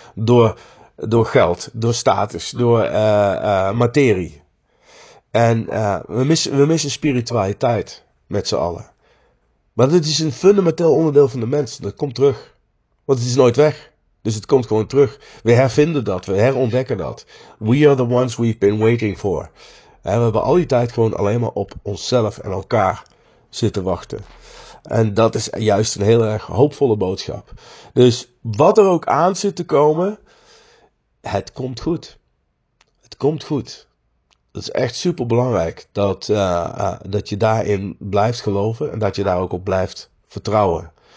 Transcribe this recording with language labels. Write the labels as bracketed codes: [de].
[nl] Door geld, door status, door materie. En we missen spiritualiteit met z'n allen. Maar dit is een fundamenteel onderdeel van de mens. Dat komt terug. Want het is nooit weg. Dus het komt gewoon terug. We hervinden dat. We herontdekken dat. [en] We are the ones we've been waiting for. [nl] En we hebben al die tijd gewoon alleen maar op onszelf en elkaar zitten wachten. En dat is juist een heel erg hoopvolle boodschap. Dus wat er ook aan zit te komen, het komt goed. Het komt goed. Het is echt super belangrijk dat je daarin blijft geloven en dat je daar ook op blijft vertrouwen.